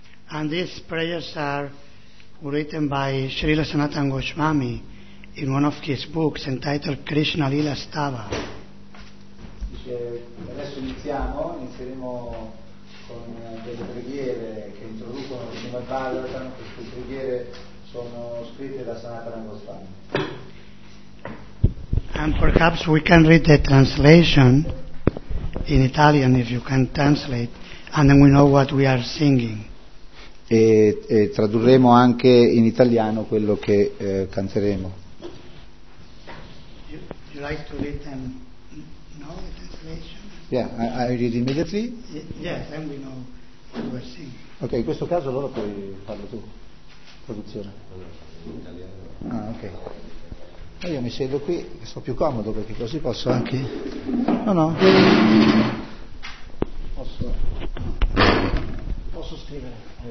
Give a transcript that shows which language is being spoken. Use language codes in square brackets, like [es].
[en] And these prayers are written by Srila Sanatana Goswami in one of his books entitled Krishna Lila Stava. [it] Dice, adesso inizieremo con delle preghiere che introducono il Srimad Bhagavatam. Queste preghiere sono scritte da Sanatana Goswami. [en] And perhaps we can read the translation in Italian, if you can translate, and then we know what we are singing. [it] E tradurremo anche in italiano quello che canteremo. [en] You like to read them now, the translation? Yeah, I read immediately? Yes, yeah, then we know what we are singing. [it] Ok, in questo caso allora puoi farlo tu, traduzione. Ah, ok. Io mi siedo qui, sto più comodo perché così posso anche. No. Posso scrivere.